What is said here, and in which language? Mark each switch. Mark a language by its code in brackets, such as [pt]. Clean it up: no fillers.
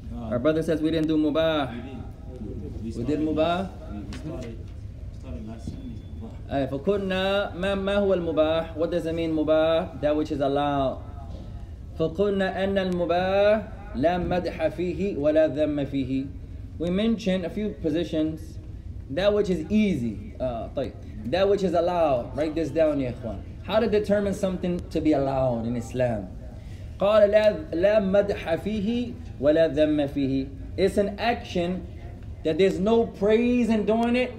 [en] Our brother says we didn't do mubah. We did mubah. [ar] فكنا ما هو المباح؟ [en] What does it mean مباح؟ That which is allowed. [ar] فقلنا أن المباح لا مدح فيه ولا ذم فيه. [en] We mentioned a few positions. That which is easy. That which is allowed. Write this down, [ar] يا إخوان. [en] How to determine something to be allowed in Islam. [ar] قال لا مدح فيه ولا ذم فيه. [en] It's an action that there's no praise in doing it.